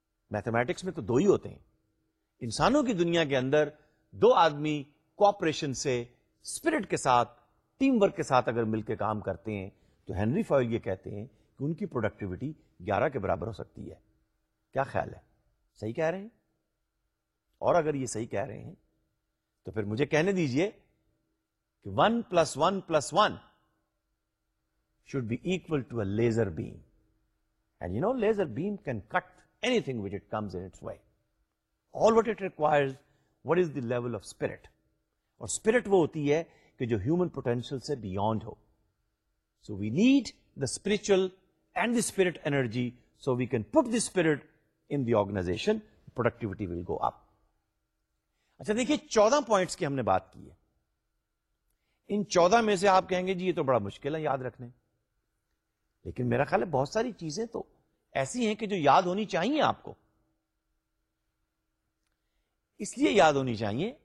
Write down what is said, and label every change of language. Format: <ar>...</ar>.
<ur>Mathematics میں تو دو ہی ہوتے ہیں، انسانوں کی دنیا کے اندر دو آدمی کوآپریشن سے، اسپرٹ کے ساتھ، ٹیم ورک کے ساتھ اگر مل کے کام کرتے ہیں، تو ہنری فوئل یہ کہتے ہیں کہ ان کی پروڈکٹیوٹی 11 کے برابر ہو سکتی ہے. کیا خیال ہے، صحیح کہہ رہے ہیں؟ اور اگر یہ صحیح کہہ رہے ہیں تو پھر مجھے کہنے دیجئے کہ</ur> <en>1+1+1 should be equal to a laser beam. And you know, laser beam can cut anything which it comes in its way. All what it requires, what is the level of spirit?</en> <ur>اور spirit وہ ہوتی ہے کہ جو human potential سے beyond ہو.</ur> <en>So we need the spiritual and the spirit energy so we can put the spirit in the organization, productivity will go up.</en> <ur>اچھا دیکھیے, 14 points کی ہم نے بات کی ہے. ان 14 میں سے آپ کہیں گے جی یہ تو بڑا مشکل ہے یاد رکھنے, لیکن میرا خیال ہے بہت ساری چیزیں تو ایسی ہیں کہ جو یاد ہونی چاہیے آپ کو, اس لیے یاد ہونی چاہیے.</ur>